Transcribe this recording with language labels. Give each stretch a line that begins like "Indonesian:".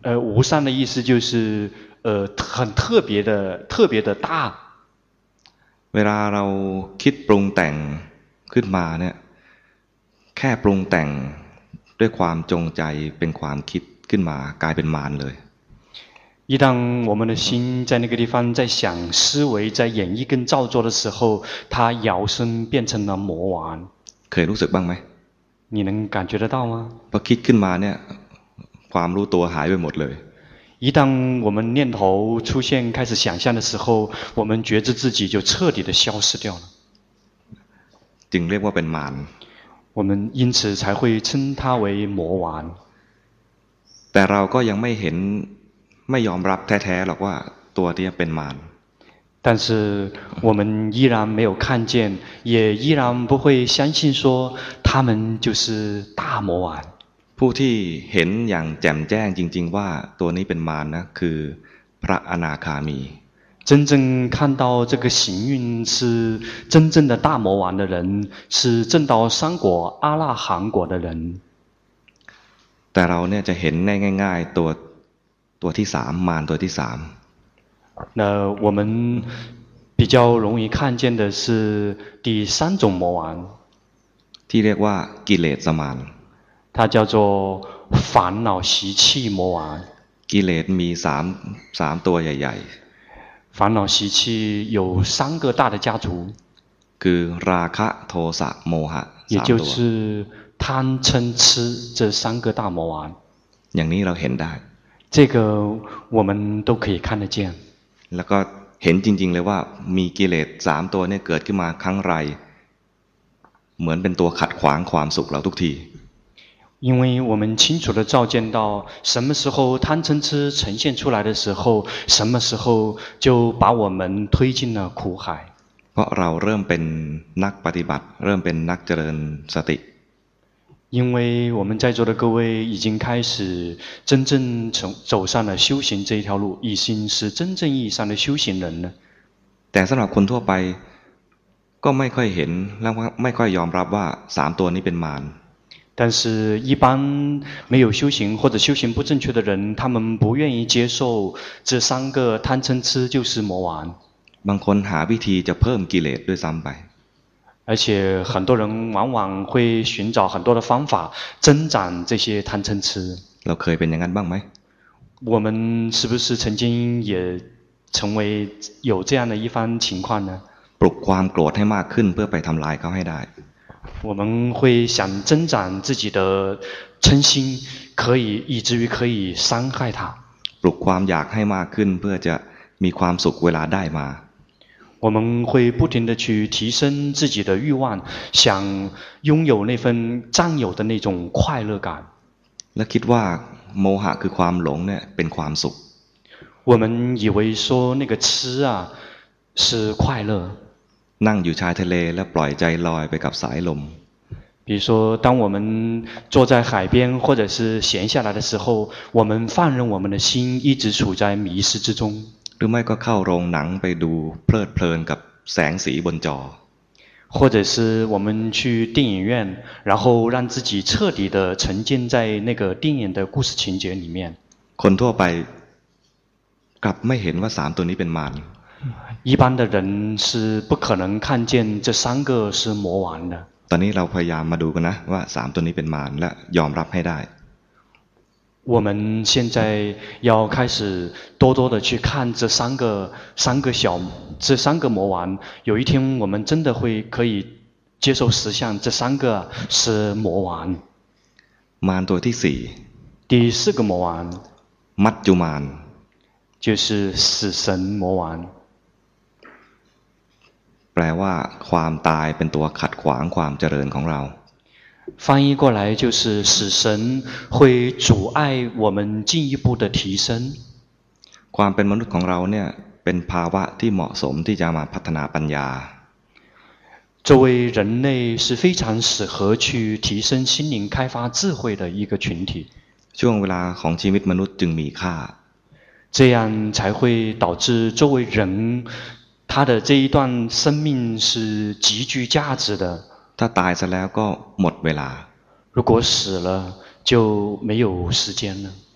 Chinese: 无善的意思就是很特别的特别的大
Thai: เวลาเราคิดปรุงแต่งขึ้นมาเนี่ยแค่ปรุงแต่งด้วยความจงใจเป็นความคิดขึ้นมากลายเป็นมารเลย
Chinese: 一旦我们的心在那个地方在想思维在演绎跟造作的时候它摇身变成了魔王
Thai: เคยรู้สึกบ้างไหม
Chinese: 你能感觉得到吗
Thai: พอคิดขึ้นมาเนี่ยความรู้ตัวหายไปหมดเลย
Chinese: 一旦我们念头出现开始想象的时候我们觉知自己就彻底的消失掉了
Thai: จึงเรียกว่าเป็นมาร
Chinese: 我们因此才会称它为魔王
Thai: แต่เราก็ยังไม่เห็นไม่ยอมรับแท้ๆหรอกว่าตัวที่เป็นมาร
Chinese: 但是我们依然没有看见也依然不会相信说他们就是大魔王
Thai: ผู้ที่เห็นอย่างแจ่มแจ้งจริงๆว่าตัวนี้เป็นมาร นะคือพระอนาคามี
Chinese: 真正看到这个行运是真正的大魔王的人是证到三果阿那含果的人
Thai: แต่เราเนี่ยจะเห็นได้ง่ายๆตัวที่3มารตัวที่3
Chinese: 那我们比较容易看见的是第三种魔王
Thai: ที่เรียกว่ากิเลสมาร
Chinese: 它叫做烦恼习气魔王
Thai: กิเลสมี3ตัวใหญ่
Chinese: ๆ烦恼习气有三个大的家族
Thai: คือราคะโทสะโมหะ
Chinese: 也就是贪嗔痴这三个大魔王
Thai: อย่างนี้เราเห็นได้
Chinese: 这个我们都可以看得见
Thai: แล้วก็เห็นจริงๆเลยว่ามีกิเลส3ตัวเนี่ยเกิดขึ้นมาครั้งไรเหมือนเป็นตัวขัดขวางความสุขเราทุกที
Chinese: 因为我们清楚地照见到什么时候贪嗔痴呈现出来的时候什么时候就把我们推进了苦海
Thai: เพราะเราเริ่มเป็นนักปฏิบัติเริ่มเป็นนักเจริญสติ
Chinese: 因为我们在座的各位已经开始真正走上了修行这一条路已经是真正意义上的修行人了
Thai: แต่สำหรับคนทั่วไปก็ไม่ค่อยเห็นและไม่ค่อยยอมรับว่า3ตัวนี้เป็นมาร
Chinese: 但是一般没有修行或者修行不正确的人他们不愿意接受这三个贪嗔痴就是魔王
Thai: บางคนหาวิธีจะเพิ่มกิเลสด้วยซ้ำไป
Chinese: 而且很多人往往会寻找很多的方法增长这些贪嗔痴
Thai: เราเคยเป็นอย่างนั้นบ้างไหม
Chinese: 我们是不是曾经也成为有这样的一番情况呢
Thai: ปลุกความโกรธให้มากขึ้นเพื่อไปทำลายเขาให้ได้
Chinese: 我们会想增长自己的嗔心可以以至于可以伤害他
Thai: ปลุกความอยากให้มากขึ้นเพื่อจะมีความสุขเวลาได้มา วันคุยพูดถึงเดชทีเซนจิจิเดอร์ยูวันอย่างยุ่งอยู่ในฟันจ้างอยู่ในจงควายเลิกกัน และคิดว่าโมหะคือความหลงเนี่ยเป็นความสุข วันอีเวย์ซูนี่ก็ชื่ออ่ะชื่อควายเลิก นั่งอยู่ชายทะเลแล้วปล่อยใจลอยไปกับสายลม
Chinese: 比如说当我们坐在海边或者是闲下来的时候我们放任我们的心一直处在迷失之中
Thai: หรือไม่ก็เข้าโรงหนังไปดูเพลิดเพลินกับแสงสีบนจ
Chinese: อ或者是我们去电影院然后让自己彻底的沉浸在那个电影的故事情节里面
Thai: คนทั่วไปกลับไม่เห็นว่า3ตัวนี้เป็นมาร
Chinese: 一般的人是不可能看见这三个是魔王的
Thai: ตอนนี้เราพยายามมาดูกันนะว่า3ตัวนี้เป็นมารและยอมรับให้ได้
Chinese: 我们现在要开始多多的去看这三个魔王有一天我们真的会可以接受实相这三个是魔王
Thai: มารตัวที่4
Chinese: 第四个魔王
Thai: มัจจุมาร
Chinese: 就是死神魔王
Thai: แปลว่าความตายเป็นตัวขัดขวางความเจริญของเรา
Chinese: 翻译过来就是死神会阻碍我们进一步的提升
Thai: ความเป็นมนุษย์ของเราเนี่ยเป็นภาวะที่เหมาะสมที่จะมาพัฒนาปัญญา
Chinese: 作为人类是非常适合去提升心灵开发智慧的一个群体
Thai: ช่วงเวลาของชีวิตมนุษย์จึงมีค่า
Chinese: 这样才会导致作为人他的这一段生命是极具价值的
Thai: ถ้าตายซะแล้วก็หมดเวลา
Chinese: 如果死了就没有时间了